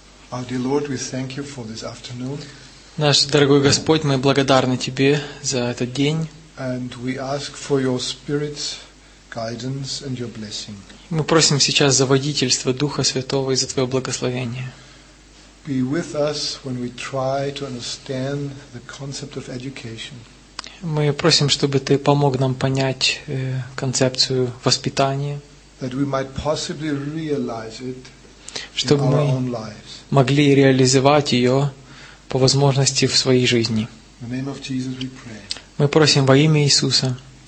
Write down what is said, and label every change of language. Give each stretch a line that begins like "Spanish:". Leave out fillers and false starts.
English: Our dear Lord, we thank you for this afternoon.
Russian: Наш дорогой Господь, мы благодарны Тебе за этот день.
English: And we ask for your Spirit's guidance and your blessing.
Russian: Мы просим сейчас за водительство Духа Святого и за Твое благословение.
English: Be with us when we try to understand the concept of education.
Russian: Мы просим, чтобы Ты помог нам понять концепцию воспитания.
English: That we might possibly realize it.
Russian: Чтобы мы могли реализовать ее по возможности в своей жизни. Мы просим во имя Иисуса.